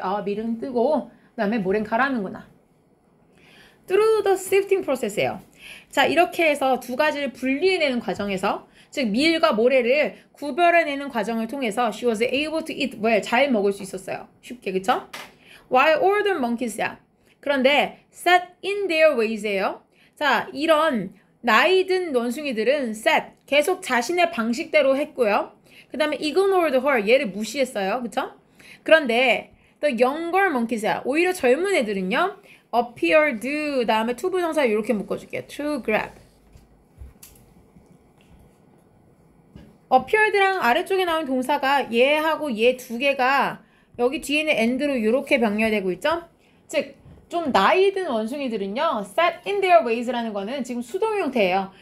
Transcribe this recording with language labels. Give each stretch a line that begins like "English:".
Korean: 아, 미름 뜨고 그 다음에 모렌카라는구나.
English: Through the sifting process예요.
Korean: 자, 이렇게 해서 두 가지를 분리해내는 과정에서, 즉 밀과 모래를 구별해내는 과정을 통해서
English: she was able to eat well,
Korean: 잘 먹을 수 있었어요. 쉽게, 그쵸?
English: While older monkeys야. 그런데 set in their ways예요.
Korean: 자, 이런 나이 든 원숭이들은 set, 계속 자신의 방식대로 했고요. 그 다음에
English: ignored her,
Korean: 얘를 무시했어요. 그쵸?
English: 그런데 the younger monkeys야.
Korean: 오히려 젊은 애들은요. appeared, 다음에 to 부정사 이렇게 묶어줄게요.
English: to grab.
Korean: appeared랑 아래쪽에 나온 동사가 얘하고 얘 두 개가 여기 뒤에 있는 end로 이렇게 병렬되고 있죠? 즉, 좀 나이 든 원숭이들은요.
English: set in their ways
Korean: 라는 거는 지금 수동 형태예요.